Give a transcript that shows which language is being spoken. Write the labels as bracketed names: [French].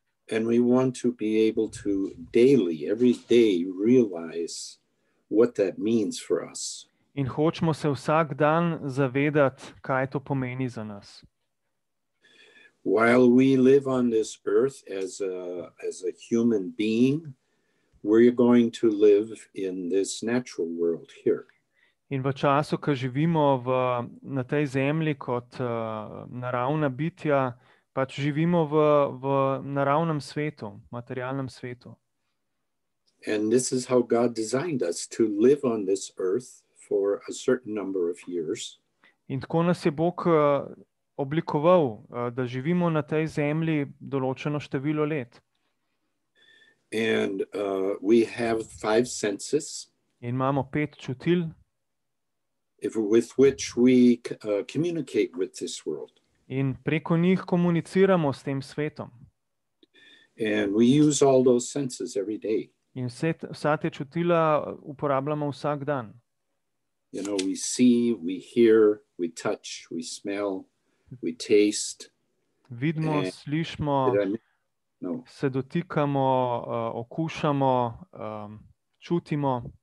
[English] And we want to be able to daily, every day, realize what that means for us. [Slovenian] In hočemo se vsak dan zavedati, kaj to pomeni za nas. [English] While we live on this earth as a human being, we're going to live in this natural world here. [Slovenian] In v času, ko živimo na tej zemlji kot naravna bitja, pač živimo v naravnem svetu, materialnem svetu. [English] And this is how God designed us to live on this earth for a certain number of years. [Slovenian] In tako nas je Bog oblikoval, da živimo na tej zemlji določeno število let. [English] And we have five senses. [Slovenian] In imamo pet čutil. [English] With which we communicate with this world. [Slovenian] In preko njih komuniciramo s tem svetom. [English] And we use all those senses every day. [Slovenian] In vsa te čutila uporabljamo vsak dan. [English] You know, we see, we hear, we touch, we smell. We taste. [Slovenian] Vidimo, slišimo, se dotikamo, okušamo, čutimo.